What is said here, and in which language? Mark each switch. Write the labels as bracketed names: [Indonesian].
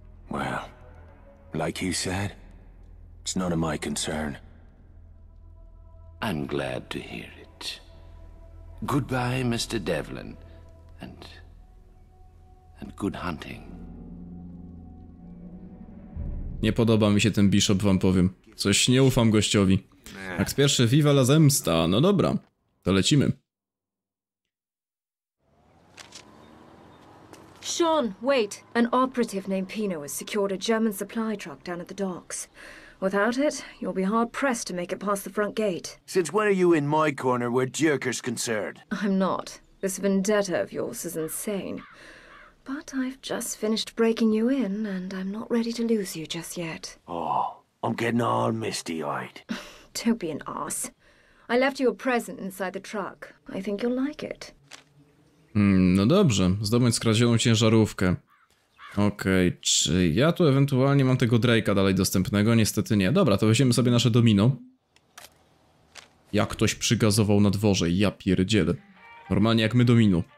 [English] Well, like you said, it's none of my concern. I'm glad to hear it. Goodbye, Mr. Devlin, and good hunting. [Polish] Nie podoba mi się ten Bishop, wam powiem. Coś nie ufam gościowi. Akt pierwszy, Viva la zemsta. No dobra, to lecimy. [English] Sean, wait. An operative named Pino has secured a German supply truck down at the docks. Without it, you'll be hard-pressed to make it past the front gate. Since when are you in my corner where Jerker's concerned? I'm not. This vendetta of yours is insane. But I've just finished breaking you in, and I'm not ready to lose you just yet. Oh, I'm getting all misty-eyed. Don't be an ass. I left you a present inside the truck. I think you'll like it. [Polish] No dobrze, zdobądź skradzioną ciężarówkę. Okej, czy ja tu ewentualnie mam tego Drake'a dalej dostępnego? Niestety nie. Dobra, to weźmiemy sobie nasze domino. Jak ktoś przygazował na dworze, ja pierdzielę. Normalnie jak my domino.